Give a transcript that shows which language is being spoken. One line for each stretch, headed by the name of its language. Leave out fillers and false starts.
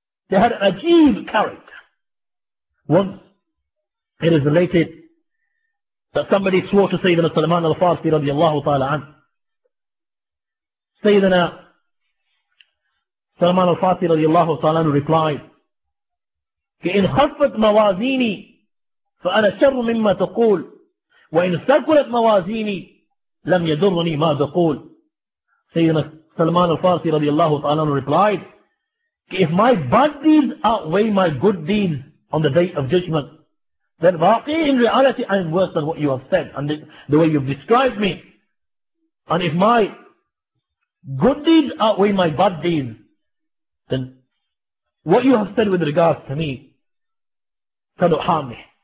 English: They had an ajeeb character. Once, it is related that somebody swore to Sayyidina Salman al-Farsi radiallahu ta'ala anhu. Sayyidina Salman al-Fatih radiallahu ta'ala anhu replied,
Arabic: فَإِنْ خَفَّتْ مَوَازِينِي فَأَنَا شَرُّ مِمَّا تَقُولُ وإن ثقلت موازيني لم يضرني ما تقول.
English: سيدنا سلمان الفارسي رضي الله تعالى عنه replied, if my bad deeds outweigh my good deeds on the day of judgment, then واقعي in reality I am worse than what you have said and the way you've described me. And if my good deeds outweigh my bad deeds, then what you have said with regards to me cannot harm me.